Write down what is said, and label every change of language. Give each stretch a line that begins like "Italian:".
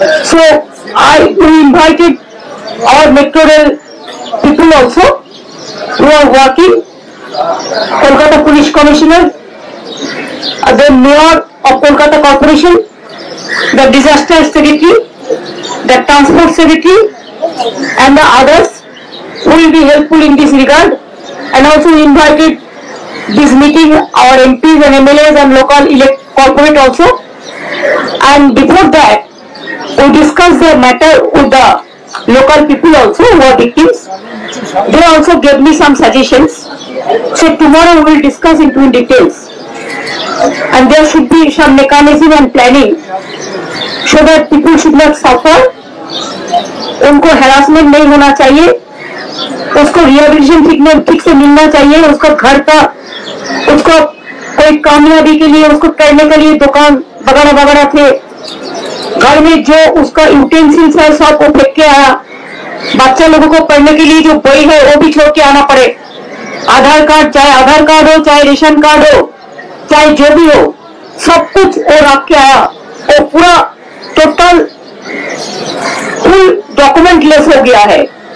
English: So I we invited our metro rail people also who are working, Kolkata police commissioner, the mayor of Kolkata corporation, the disaster secretary, the transport secretary and the others will be helpful in this regard. And also invited this meeting our MPs and MLAs and local corporate also, and before that we discuss the matter with the local people also who are victims. They also gave me some suggestions, so tomorrow we will discuss into in details, and there should be some mechanism and planning so that people should not suffer.
Hindi: उनको harassment नहीं होना चाहिए, उसको rehabilitation ठीक से मिलना चाहिए, उसका घर का, उसको कोई कामयाबी के लिए, उसको करने के लिए दुकान वगैरह वगैरह थे, घर में जो उसका यूटेंसिल्स है सब वो फेंक के आया, बच्चा लोगों को पढ़ने के लिए जो बही है वो भी छोड़ के आना पड़े, आधार कार्ड चाहे आधार कार्ड हो चाहे रेशन कार्ड हो चाहे जो भी हो सब कुछ वो रख के आया, वो पूरा टोटल फुल डॉक्यूमेंट लेस हो गया है।